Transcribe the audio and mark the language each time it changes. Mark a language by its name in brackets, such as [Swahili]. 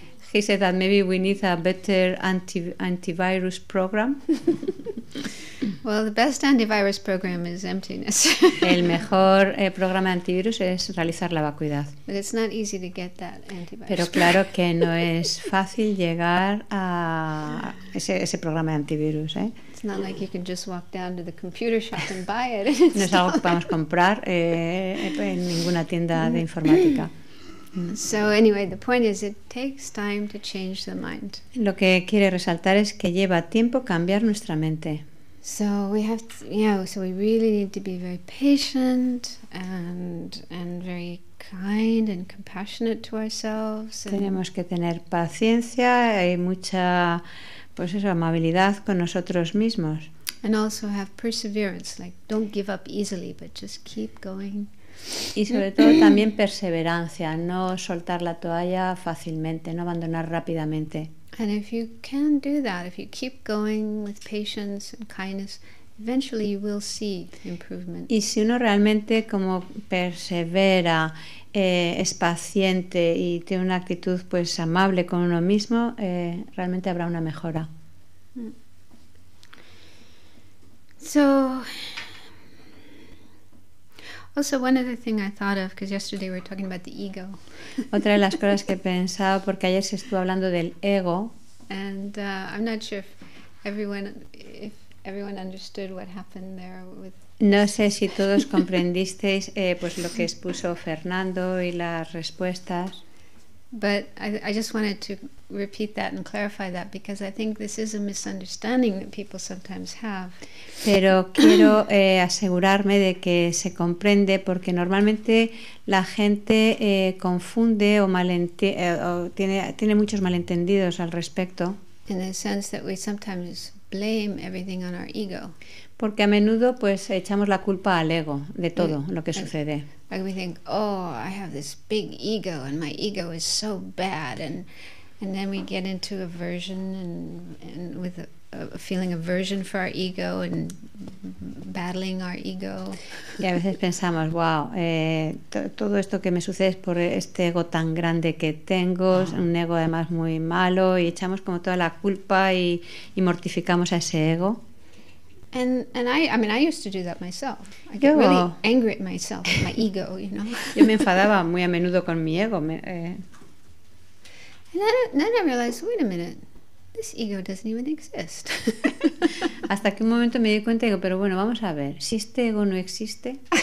[English] He said that maybe we need a better antivirus program. Well, the best antivirus program is emptiness. [Spanish] El mejor programa de antivirus es realizar la vacuidad. [English] But it's not easy to get that antivirus. [Spanish] Pero claro que no es fácil llegar a ese programa de antivirus, ¿eh? [English] It's not like you can just walk down to the computer shop and buy it. [Spanish] No es algo que podamos comprar en ninguna tienda de informática. [English] So anyway, the point is, it takes time to change the mind. [Spanish] Lo que quiere resaltar es que lleva tiempo cambiar nuestra mente. [English] So we have to, so we really need to be very patient and very kind and compassionate to ourselves. [Spanish] Tenemos que tener paciencia y mucha, pues eso, amabilidad con nosotros mismos. [English] And also have perseverance, like don't give up easily, but just keep going. [Spanish] Y sobre todo también perseverancia, no soltar la toalla fácilmente, no abandonar rápidamente. [English] And if you can do that, if you keep going with patience and kindness, eventually you will see improvement. [Spanish] Y si uno realmente como persevera, es paciente y tiene una actitud pues amable con uno mismo, realmente habrá una mejora. [English] So also, one other thing I thought of, because yesterday we were talking about the ego. [Spanish] Otra de las cosas que he pensado, porque ayer se estuvo hablando del ego. [English] And I'm not sure if everyone understood what happened there with. [Spanish] No sé si todos comprendisteis pues lo que expuso Fernando y las respuestas. [English] But I just wanted to repeat that and clarify that because I think this is a misunderstanding that people sometimes have. [Spanish] Pero quiero asegurarme de que se comprende porque normalmente la gente confunde o tiene muchos malentendidos al respecto. [English] In the sense that we sometimes blame everything on our ego. [Spanish] Porque a menudo pues echamos la culpa al ego de todo lo que sucede. [English] Like we think, oh, I have this big ego and my ego is so bad and then we get into aversion and with a feeling of aversion for our ego and battling our ego. [Spanish] Y a veces pensamos, wow, todo esto que me sucede es por este ego tan grande que tengo, un ego además muy malo, y echamos como toda la culpa y mortificamos a ese ego. [English] And I mean I used to do that myself. I get really angry at myself, at my ego, you know. [Spanish] Yo me enfadaba muy a menudo con mi ego. [English] And then I realized, wait a minute, this ego doesn't even exist. [Spanish] Hasta que un momento me di cuenta y digo, pero bueno, vamos a ver, si este ego no existe.